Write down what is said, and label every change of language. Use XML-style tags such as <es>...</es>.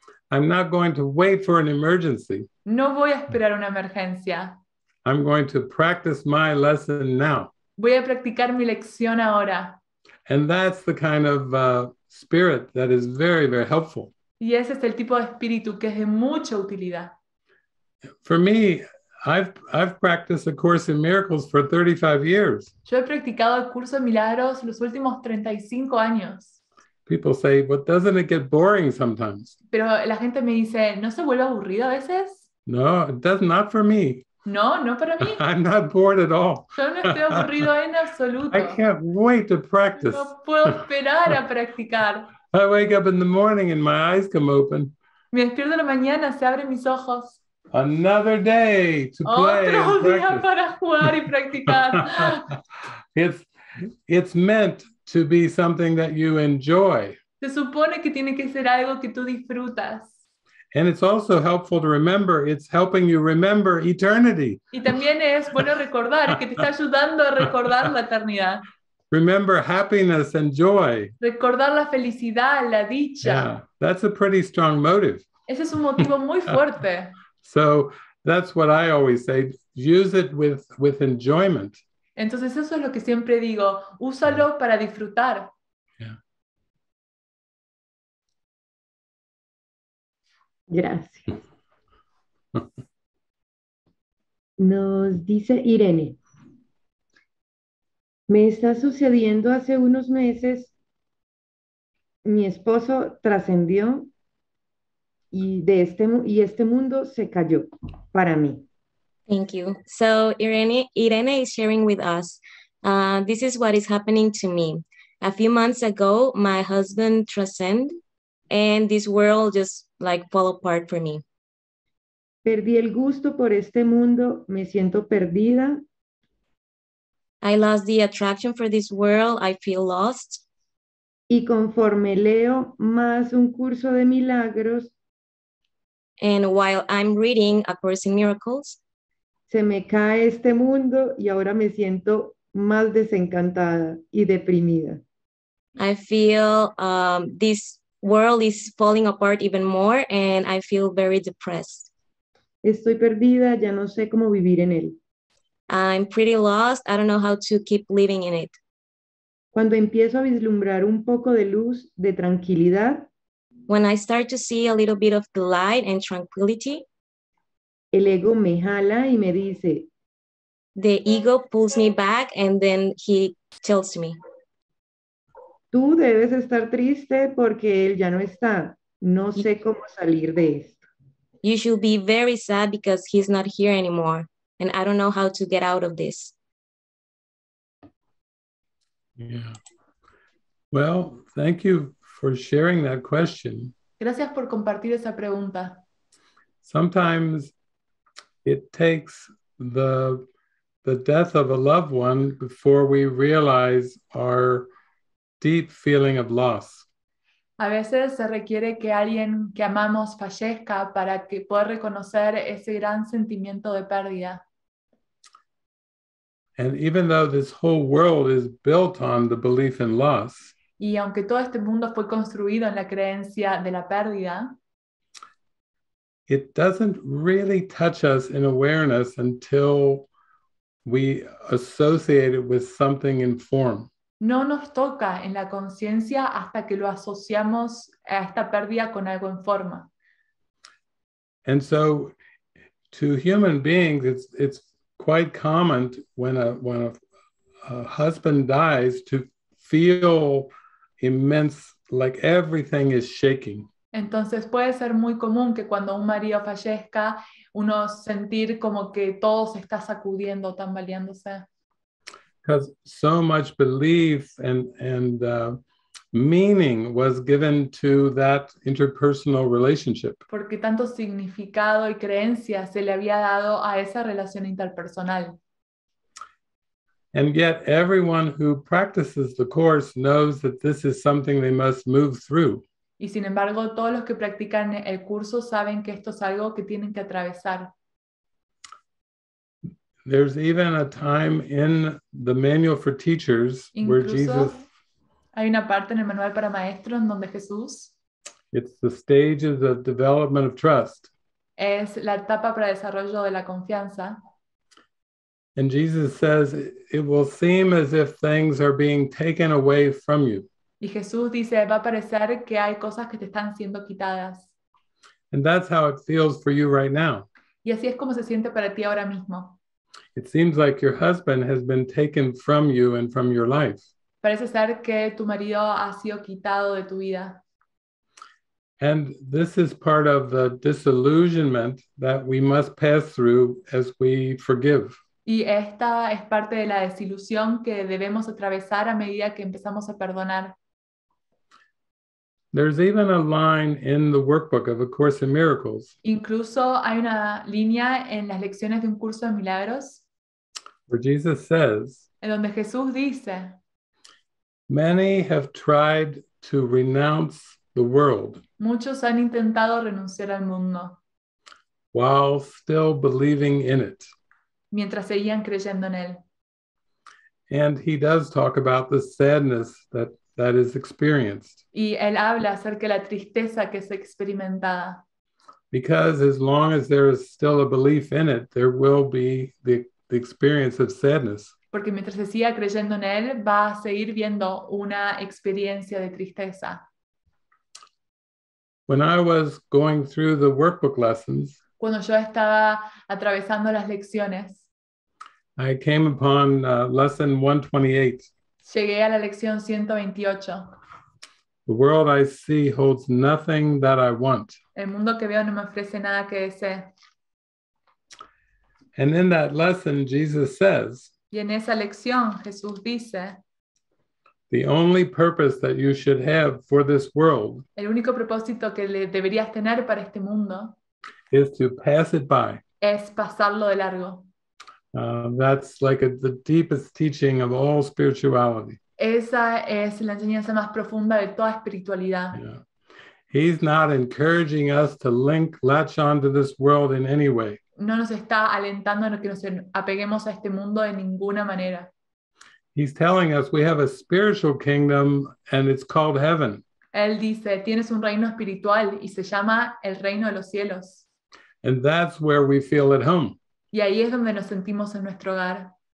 <en>I'm not going to wait for an emergency.</en> <es>No voy a esperar una emergencia.</es> <en>I'm going to practice my lesson now.</en> <es>Voy a practicar mi lección ahora.</es> <en>And that's the kind of spirit that is very, very helpful.</en> <es>Y ese es el tipo de espíritu que es de mucha utilidad.</es> <en>For me, I've practiced A Course in Miracles for 35 years.</en> <es>Yo he practicado el curso de milagros los últimos 35 años.</es> <en>People say, but doesn't it get boring sometimes?</en> <es>Pero la gente me dice, ¿no se vuelve aburrido a veces?</es> <en>No, it does not for me.</en> <es>No, no para mí.</es> <en>I'm not bored at all.</en> <es>Yo no estoy aburrido en absoluto.</es> <en>I can't wait to practice.</en> <es>No puedo esperar a practicar.</es> <en>I wake up in the morning and my eyes come open.</en> <es>Me despierto en la mañana, se abren mis ojos.</es> <en>Another day to play.</en> <es>Otro día</es> <en>practice.</en> <es>Para jugar y practicar.</es> <en>It's meant to be something that you enjoy.</en> <es>Se supone que tiene que ser algo que tú disfrutas.</es> <en>And it's also helpful to remember, it's helping you remember eternity.</en> <es>Y también es bueno recordar que te está ayudando a recordar la eternidad.</es> <en>Remember happiness and joy.</en> <es>Recordar la felicidad, la dicha.</es> <en>Yeah, that's a pretty strong motive.</en> <es>Ese es un motivo muy fuerte.</es> <en>So that's what I always say, use it with enjoyment.</en> <es>Entonces eso es lo que siempre digo, úsalo para disfrutar. Gracias. Nos dice Irene. Me está sucediendo hace unos meses. Mi esposo trascendió y este mundo se cayó para mí.</es> <en>Thank you. So Irene is sharing with us. This is what is happening to me. A few months ago, my husband transcended. And this world just like fall apart for me.</en> <es>Perdí el gusto por este mundo. Me siento perdida.</es> <en>I lost the attraction for this world. I feel lost.</en> <es>Y conforme leo más un curso de milagros.</es> <en>And while I'm reading A Course in Miracles.</en> <es>Se me cae este mundo y ahora me siento más desencantada y deprimida.</es> <en>I feel this world is falling apart even more and I feel very depressed.</en> <es>Estoy perdida, ya no sé cómo vivir en él.</es> <en>I'm pretty lost, I don't know how to keep living in it.</en> <es>Cuando empiezo a vislumbrar un poco de luz, de tranquilidad,</es> <en>when I start to see a little bit of the light and tranquility,</en> <es>el ego me jala y me dice,</es> <en>the ego pulls me back and then he tells me,</en> <es>tú debes estar triste porque él ya no está. No sé cómo salir de esto.</es> <en>You should be very sad because he's not here anymore. And I don't know how to get out of this. Yeah. Well, thank you for sharing that question.</en> <es>Gracias por compartir esa pregunta.</es> <en>Sometimes it takes the death of a loved one before we realize our deep feeling of loss.</en> <es>A veces se requiere que alguien que amamos fallezca para que pueda reconocer ese gran sentimiento de pérdida.</es> <en>And even though this whole world is built on the belief in loss,</en> <es>y aunque todo este mundo fue construido en la creencia de la pérdida,</es> <en>it doesn't really touch us in awareness until we associate it with something in form.</en> <es>No nos toca en la conciencia hasta que lo asociamos a esta pérdida con algo en forma.</es> <en>And so to human beings, it's quite common when a husband dies to feel immense, like everything is shaking.</en> <es>Entonces puede ser muy común que cuando un marido fallezca, uno sentir como que todo se está sacudiendo, tambaleándose.</es> <en>Because so much belief and meaning was given to that interpersonal relationship.</en> <es>Porque tanto significado y creencia se le había dado a esa relación interpersonal.</es> <en>And yet everyone who practices the course knows that this is something they must move through.</en> <es>Y sin embargo, todos los que practican el curso saben que esto es algo que tienen que atravesar.</es> <en>There's even a time in the manual for teachers</en> <es>Incluso,</es> <en>where Jesus</en> <es>hay una parte en el manual para maestros en donde Jesús</es> <en>It's the stages of development of trust.</en> <es>Es la etapa para desarrollo de la confianza.</es> <en>And Jesus says it will seem as if things are being taken away from you.</en> <es>Y Jesús dice va a parecer que hay cosas que te están siendo quitadas.</es> <en>And that's how it feels for you right now.</en> <es>Y así es como se siente para ti ahora mismo.</es> <en>It seems like your husband has been taken from you and from your life.</en> <es>Parece ser que tu marido ha sido quitado de tu vida.</es> <en>And this is part of the disillusionment that we must pass through as we forgive.</en> <es>Y esta es parte de la desilusión que debemos atravesar a medida que empezamos a perdonar.</es> <en>There's even a line in the workbook of A Course in Miracles.</en> <es>Incluso hay una línea en las lecciones de Un Curso de Milagros.</es> <en>Where Jesus says,</en> <es>en donde Jesús dice,</es> <en>many have tried to renounce the world.</en> <es>Muchos han intentado renunciar al mundo.</es> <en>While still believing in it.</en> <es>Mientras seguían creyendo en él.</es> <en>And he does talk about the sadness that is experienced.</en> <es>Y él habla acerca de la tristeza que es experimentada.</es> <en>Because as long as there is still a belief in it, there will be the experience of sadness.</en> <es>Porque mientras se siga creyendo en él, va a seguir viendo una experiencia de tristeza.</es> <en>When I was going through the workbook lessons,</en> <es>cuando yo estaba atravesando las lecciones,</es> <en>I came upon lesson 128.</en> <es>Llegué a la lección 128.</es> <en>The world I see holds nothing that I want.</en> <es>El mundo que veo no me ofrece nada que desee.</es> <en>And in that lesson, Jesus says,</en> <es>y en esa lección, Jesús dice,</es> <en>the only purpose that you should have for this world,</en> <es>el único propósito que le deberías tener para este mundo,</es> <en>is to pass it by.</en> <es>Es pasarlo de largo.</es> <en>That's like the deepest teaching of all spirituality.</en> <es>Esa es la enseñanza más profunda de toda espiritualidad.</es> <en>Yeah. He's not encouraging us to latch onto this world in any way.</en> <es>No nos está alentando a que nos apeguemos a este mundo de ninguna manera.</es> <en>He's telling us we have a spiritual kingdom and it's called heaven.</en> <es>Él dice, tienes un reino espiritual y se llama el reino de los cielos.</es> <en>And that's where we feel at home.</en> <es>Y ahí es donde nos sentimos en nuestro hogar.</es>